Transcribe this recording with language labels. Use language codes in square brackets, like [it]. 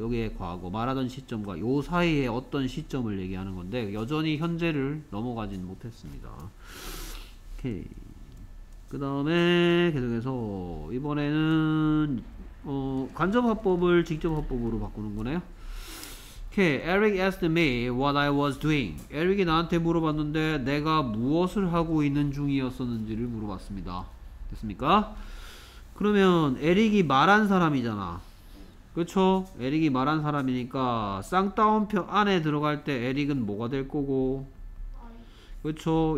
[ko] 여기에 과거 말하던 시점과 요 사이에 어떤 시점을 얘기하는 건데 여전히 현재를 넘어가진 못했습니다. 오케이. 그다음에 계속해서 이번에는 간접화법을 직접화법으로 바꾸는 거네요. [en] Okay, Eric asked me what I was doing. [ko] Eric이 나한테 물어봤는데 내가 무엇을 하고 있는 중이었었는지를 물어봤습니다. 됐습니까? 그러면 에릭이 말한 사람이잖아. 그쵸? 에릭이 말한 사람이니까 쌍따옴표 안에 들어갈 때 에릭은 뭐가 될 거고? 그쵸?